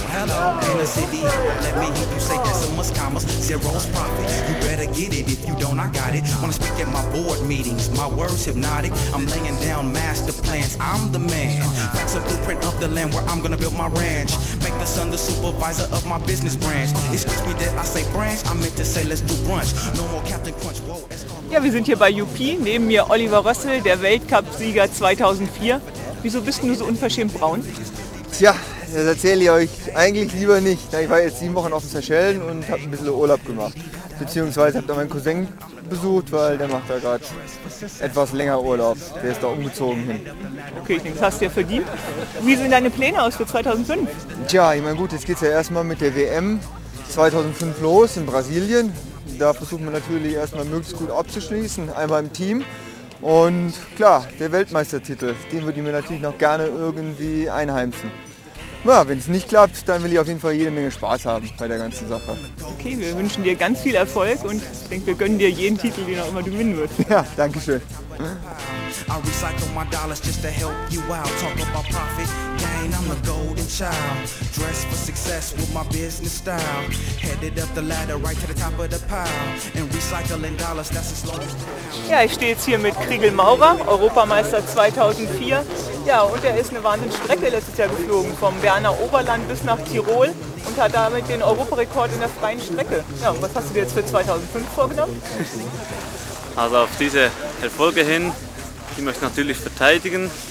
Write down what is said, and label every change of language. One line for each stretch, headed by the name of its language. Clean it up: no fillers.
English: Hello, in the city. Let me hear you say decimals, commas, zeros profit. You better get it. If you don't, I got it. Wanna speak at my board meetings. My words hypnotic. I'm laying down master plans. I'm the man. That's a blueprint of the land where I'm gonna build my ranch. Make the son the supervisor of my business branch. Excuse me that I say branch. I meant to say let's do brunch. No more Captain Crunch.
German: Ja, wir sind hier bei UP. Neben mir Oliver Rössel, der Weltcup-Sieger 2004. Wieso bist du so unverschämt braun? Tja, das erzähle ich euch eigentlich lieber nicht. Ich war jetzt 7 Wochen auf den Seychellen und habe ein bisschen Urlaub gemacht. Beziehungsweise habe da meinen Cousin besucht, weil der macht da gerade etwas länger Urlaub. Der ist da umgezogen hin. Okay, ich denke, das hast du ja verdient. Wie sehen deine Pläne aus für 2005? Tja, ich meine gut, jetzt geht es ja erstmal mit der WM 2005 los in Brasilien. Da versuchen wir natürlich erstmal möglichst gut abzuschließen, einmal im Team. Und klar, der Weltmeistertitel, den würde ich mir natürlich noch gerne irgendwie einheimsen. Ja, wenn es nicht klappt, dann will ich auf jeden Fall jede Menge Spaß haben bei der ganzen Sache. Okay, wir wünschen dir ganz viel Erfolg und ich denke, wir gönnen dir jeden Titel, den auch immer du gewinnen wirst. Ja, danke schön.
English: I recycle my dollars just to help you out. Talk about profit gain, I'm a golden child. Dressed for success with my business style. Headed up the ladder right to the top of the pile. And recycling dollars, that's as long as...
German: Ja, ich stehe jetzt hier mit Krigel Maurer, Europameister 2004. Ja, und er ist eine wahnsinnige Strecke letztes Jahr geflogen. Vom Berner Oberland bis nach Tirol. Und hat damit den Europarekord in der freien Strecke. Ja, und was hast du dir jetzt für 2005 vorgenommen? Also auf diese Erfolge hin, die möchte ich natürlich verteidigen.